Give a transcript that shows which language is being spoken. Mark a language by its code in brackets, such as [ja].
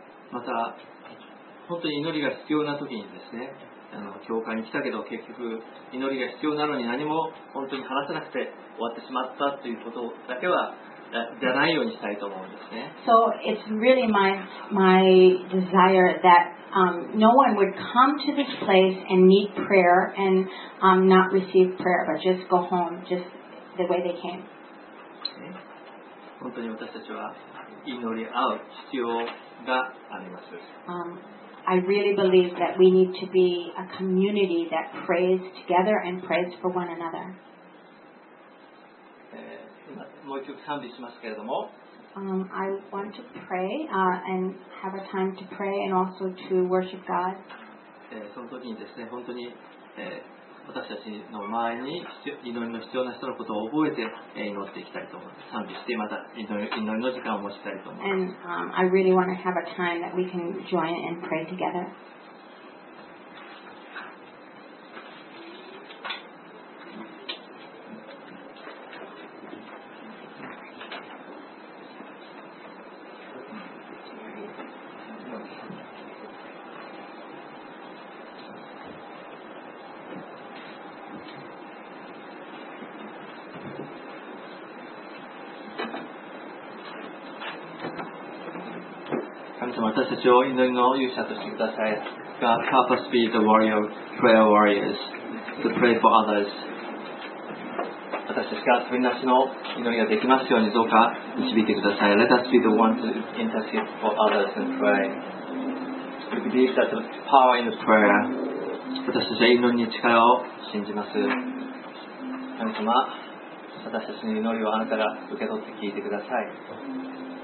[ja] また本当に祈りが必要な時にですね、教会に来たけど結局祈りが必要なのに何も本当に話せなくて終わってしまったということだけはじゃないようにしたいと思うんですね。 [en] So it's really my desire thatno one would come to this place and need prayer and not receive prayer, but just go home just the way they came. [ja] 本当に私たちは祈り合う必要があります。 [en] I really believe that we need to be a community that prays together and prays for one another. [ja] もう一曲賛美しますけれども。 [en] I want to pray and have a time to pray and also to worship God. [ja] その時にですね、本当に、私たちの前に祈りの必要な人のことを覚えて、祈っていきたいと思います。賛美してまた祈りの時間を持ちたいと思います。 [en] And I really want to have a time that we can join and pray together. [ja] 祈りの勇者としてください。 [en] God, help us be the warrior, prayer warriors, to pray for others. [ja] 私たちが取りなしの祈りができますようにどうか導いてください。 [en] Let us be the one to intercede for others and pray. We believe that the power in the prayer. [ja] 私たちは祈りに力を信じます。神様、私たちの祈りをあなたが受け取って聞いてください。